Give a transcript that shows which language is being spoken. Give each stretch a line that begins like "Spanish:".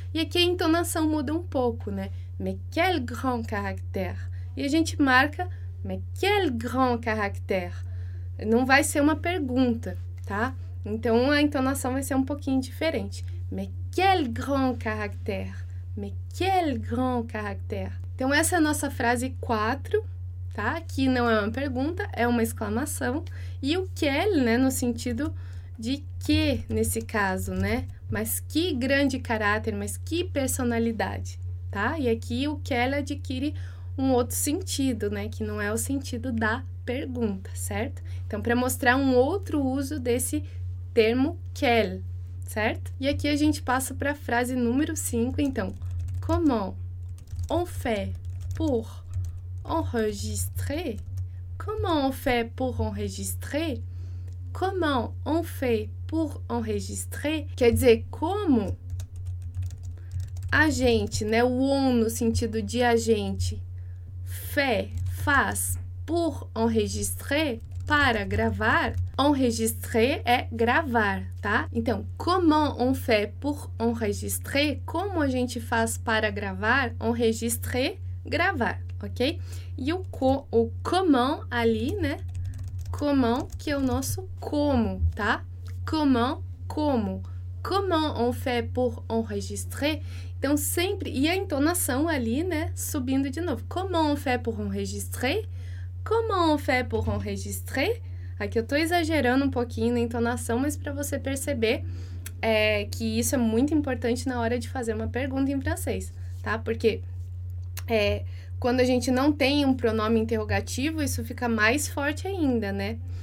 Portuguese: E aqui a entonação muda um pouco, né?
French: Mais quel grand caractère.
Portuguese: E a gente marca,
French: mais quel grand caractère.
Portuguese: Não vai ser uma pergunta, tá? Então, a entonação vai ser um pouquinho diferente.
French: Mais quel grand caractère. Mais quel grand caractère.
Portuguese: Então, essa é a nossa frase 4. Tá? Que não é uma pergunta, é uma exclamação. E o quel, né, no sentido de que, nesse caso, né? Mas que grande caráter, mas que personalidade, tá? E aqui o quel adquire um outro sentido, né? Que não é o sentido da pergunta, certo? Então, para mostrar um outro uso desse termo quel, certo? E aqui a gente passa para a frase número 5.
French: Então, comment on fait pour enregistrer? Comment on fait pour enregistrer? comment on fait pour enregistrer
Portuguese: quer dizer como a gente, né? O on no sentido de a gente faz pour enregistrer, para gravar. Enregistrer é gravar, tá?
French: Então, comment on fait pour enregistrer?
Portuguese: Como a gente faz para gravar? Enregistrer, gravar, ok? E o comment ali, né? Comment, que é o nosso como, tá? Comment, como.
French: Comment on fait pour enregistrer?
Portuguese: Então, sempre... E a entonação ali, né? Subindo de novo.
French: Comment on fait pour enregistrer? Comment on fait pour enregistrer?
Portuguese: Aqui eu tô exagerando um pouquinho na entonação, mas para você perceber que isso é muito importante na hora de fazer uma pergunta em francês, tá? Porque quando a gente não tem um pronome interrogativo, isso fica mais forte ainda, né?